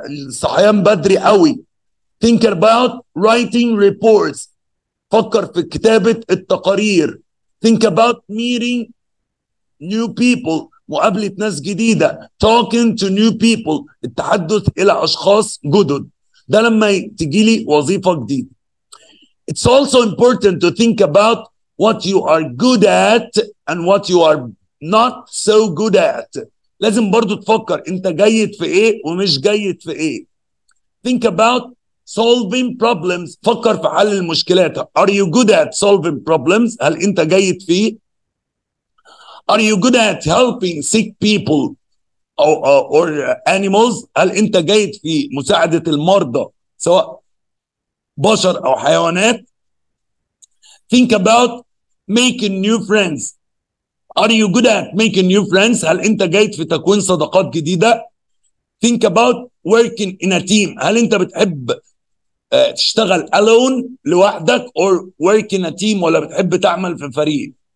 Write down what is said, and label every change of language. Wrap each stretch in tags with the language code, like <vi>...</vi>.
<ar>صحيان بدري قوي.</ar> <en>Think about writing reports.</en> <ar>فكر في كتابة التقارير.</ar> <en>Think about meeting new people.</en> <ar>مقابلة ناس جديدة.</ar> <en>Talking to new people.</en> <ar>التحدث إلى أشخاص جدد. ده لما تجي لي وظيفة جديدة.</ar> <en>It's also important to think about what you are good at and what you are not so good at.</en> <ar>لازم برضو تفكر أنت جيد في إيه ومش جيد في إيه.</ar> <en>Think about solving problems.</en> <ar>فكر في حل المشكلات.</ar> <en>Are you good at solving problems?</en> <ar>هل انت جيد فيه?</ar> <en>Are you good at helping sick people or animals?</en> <ar>هل انت جيد في مساعدة المرضى سواء بشر او حيوانات?</ar> <en>Think about making new friends. Are you good at making new friends?</en> <ar>هل انت جيد في تكوين صداقات جديدة?</ar> <en>Think about working in a team.</en> <ar>هل انت بتحب تشتغل</ar> <en>alone لوحدك or work in a team</en> <ar>ولا بتحب تعمل في فريق.</ar>